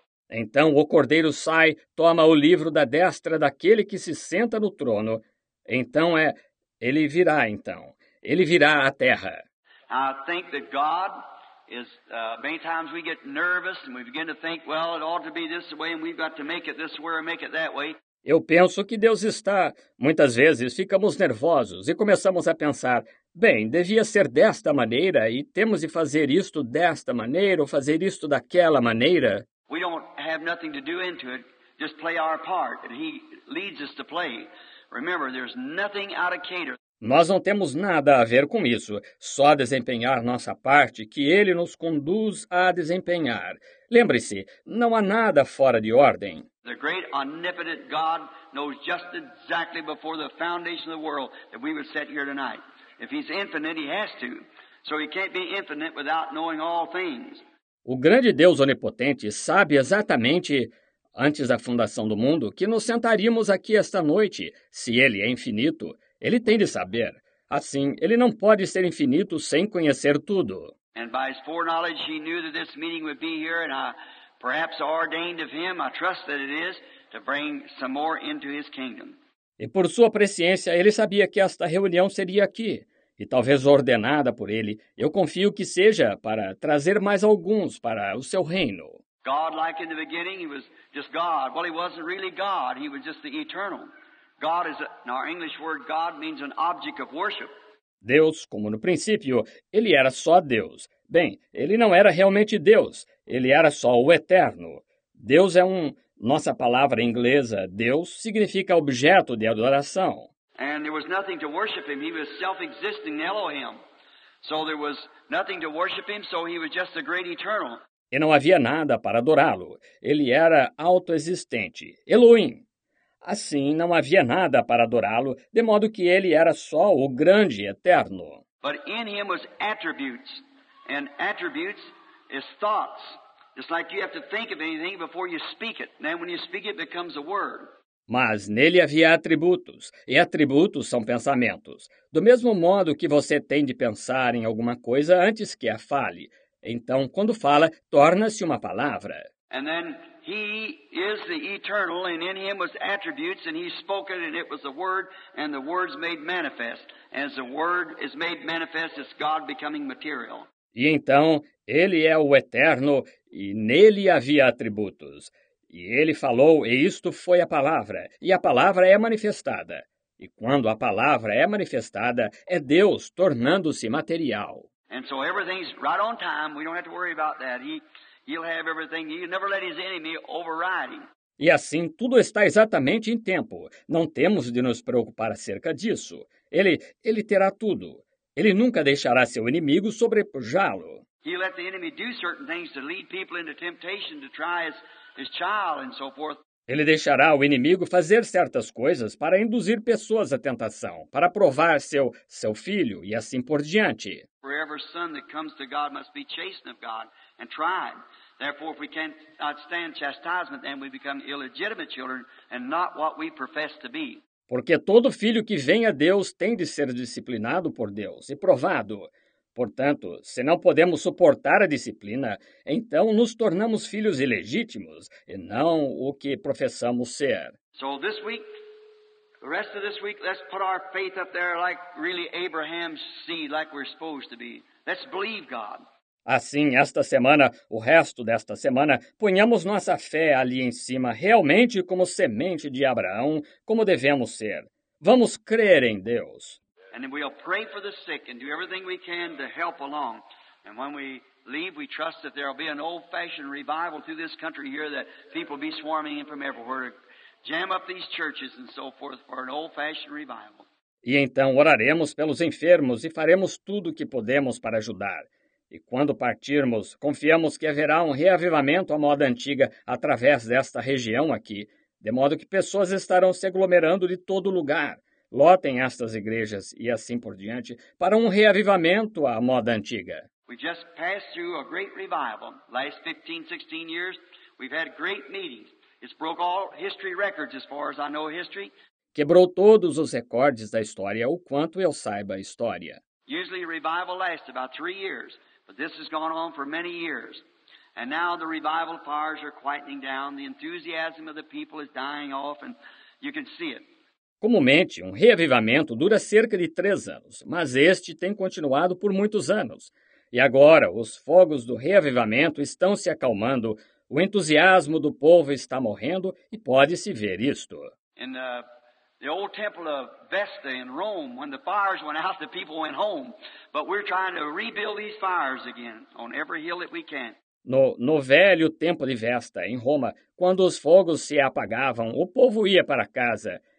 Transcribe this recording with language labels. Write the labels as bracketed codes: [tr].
[pt] Então o Cordeiro sai, toma o livro da destra daquele que se senta no trono. Então é, ele virá então. Ele virá à terra. [en] I think that God is, many times we get nervous and we begin to think, well, it ought to be this way and we've got to make it this way or make it that way. [pt] Eu penso que Deus está. Muitas vezes ficamos nervosos e começamos a pensar, bem, devia ser desta maneira e temos de fazer isto desta maneira ou fazer isto daquela maneira. [en] We don't have nothing to do into it, just play our part and he leads us to play. Remember, there's nothing out of cater. [pt] Nós não temos nada a ver com isso, só desempenhar nossa parte que ele nos conduz a desempenhar. Lembre-se, não há nada fora de ordem. [en] The great omnipotent God knows just exactly before the foundation of the world that we would sit here tonight. If he's infinite, he has to. So he can't be infinite without knowing all things. [pt] O grande Deus onipotente sabe exatamente, antes da fundação do mundo, que nos sentaríamos aqui esta noite. Se ele é infinito, ele tem de saber. Assim, ele não pode ser infinito sem conhecer tudo. [en] And by his foreknowledge, he knew that this meeting would be here, and I perhaps ordained of him, I trust that it is, to bring some more into his kingdom. [pt] E por sua presciência, ele sabia que esta reunião seria aqui, e talvez ordenada por ele, eu confio que seja para trazer mais alguns para o seu reino. [en] God, like in the beginning, he was just God. Well, he wasn't really God, he was just the eternal. God is, in our English word, God means an object of worship. [pt] Deus, como no princípio, ele era só Deus. Bem, ele não era realmente Deus, ele era só o eterno. Deus é um... Nossa palavra inglesa, Deus, significa objeto de adoração. [en] And there was nothing to worship him. He was self-existing Elohim. So there was nothing to worship him, so he was just the great eternal. [pt] E não havia nada para adorá-lo. Ele era autoexistente, Elohim. Assim, não havia nada para adorá-lo, de modo que ele era só o grande eterno. [en] But in him was attributes, and attributes is thoughts. It's like you have to think of anything before you speak it. And then when you speak it, becomes a word. [pt] Mas nele havia atributos, e atributos são pensamentos. Do mesmo modo que você tem de pensar em alguma coisa antes que a fale. Então, quando fala, torna-se uma palavra. [en] And then he is the eternal, and in him was attributes, and he spoke it, and it was a word, and the words made manifest. As the word is made manifest, it's God becoming material. [pt] E então, ele é o eterno, e nele havia atributos. E ele falou, e isto foi a palavra, e a palavra é manifestada. E quando a palavra é manifestada, é Deus tornando-se material. [en] And so everything's right on time, we don't have to worry about that. He'll have everything, he'll never let his enemy override him. [pt] E assim, tudo está exatamente em tempo. Não temos de nos preocupar acerca disso. Ele terá tudo. Ele nunca deixará seu inimigo sobrepujá-lo. [en] He let the enemy do certain things to lead people into temptation to try his child and so forth. [pt] Ele deixará o inimigo fazer certas coisas para induzir pessoas à tentação, para provar seu filho e assim por diante. [en] For every son that comes to God must be chastened of God and tried. Therefore, if we can't outstand chastisement, then we become illegitimate children and not what we profess to be. [pt] Porque todo filho que vem a Deus tem de ser disciplinado por Deus e provado. Portanto, se não podemos suportar a disciplina, então nos tornamos filhos ilegítimos e não o que professamos ser. [en] So this week, the rest of this week, let's put our faith up there like really Abraham's seed, like we're supposed to be. Let's believe God. [pt] Assim, esta semana, o resto desta semana, ponhamos nossa fé ali em cima, realmente como semente de Abraão, como devemos ser. Vamos crer em Deus. [en] And we'll pray for the sick and do everything we can to help along. And when we leave, we trust that there'll be an old-fashioned revival through this country here that people be swarming in from everywhere to jam up these churches and so forth for an old-fashioned revival. [pt] E então oraremos pelos enfermos e faremos tudo o que podemos para ajudar. E quando partirmos, confiamos que haverá um reavivamento à moda antiga através desta região aqui, de modo que pessoas estarão se aglomerando de todo lugar, lotem estas igrejas e assim por diante, para um reavivamento à moda antiga. [en] We just passed through a great revival. Last 15, 16 years, we've had great meetings. It's broke all history records, as far as I know history. [pt] Quebrou todos os recordes da história, o quanto eu saiba a história. [en] Usually a revival lasts about 3 years. But this has gone on for many years. And now the revival fires are quietening down. The enthusiasm of the people is dying off, and you can see it. [pt] Comumente, reavivamento dura cerca de 3 anos, mas este tem continuado por muitos anos. E agora, os fogos do reavivamento estão se acalmando, o entusiasmo do povo está morrendo e pode-se ver isto. [en] The old temple of Vesta in Rome, when the fires went out, the people went home. But we're trying to rebuild these fires again on every hill that we can. [pt] No velho templo de Vesta, em Roma, quando os fogos se apagavam, o povo ia para casa.